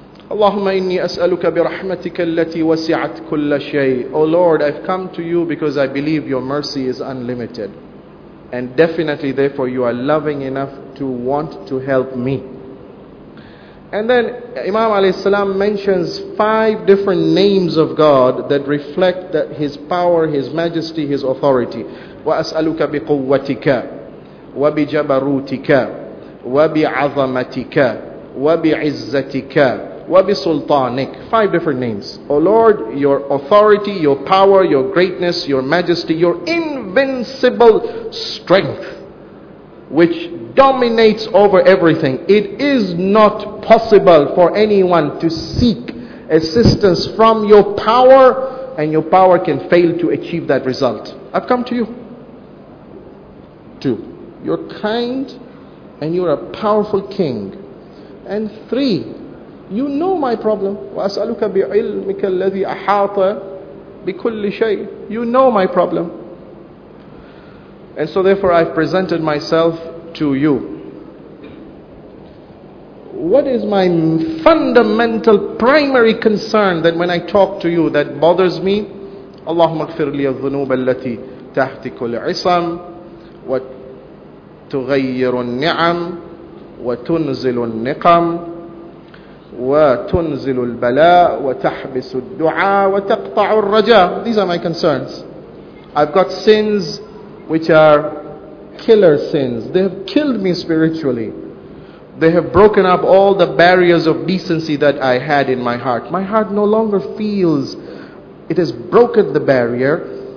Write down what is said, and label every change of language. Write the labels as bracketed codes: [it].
[ar] اللهم إني أسألك برحمتك التي وسعت كل شيء. [en] O Lord, I've come to you because I believe your mercy is unlimited. And definitely, therefore, you are loving enough to want to help me. And then Imam alayhi salam mentions five different names of God that reflect that His power, His majesty, His authority. [ar] وأسألك بقوتك وبجبروتك وبعظمتك وبعزتك وبسلطانك. [en] Five different names. O Lord, your authority, your power, your greatness, your majesty, your invincible strength, which dominates over everything. It is not possible for anyone to seek assistance from your power, and your power can fail to achieve that result. I've come to you. 2, you're kind and you're a powerful king. And 3, you know my problem. [ar] وَأَسْأَلُكَ بِعِلْمِكَ الَّذِي أَحَاطَ بِكُلِّ شَيْءٍ. [en] You know my problem. And so therefore I've presented myself to you. What is my fundamental primary concern that when I talk to you that bothers me? [ar] اللهم اغفر لي الذنوب التي تحت كل عصم وتغير النعم وتنزل النقم وتنزل البلاء وتحبس الدعاء وتقطع الرجاء. [en] These are my concerns. I've got sins which are killer sins. They have killed me spiritually. They have broken up all the barriers of decency that I had in my heart. My heart no longer feels. It has broken the barrier.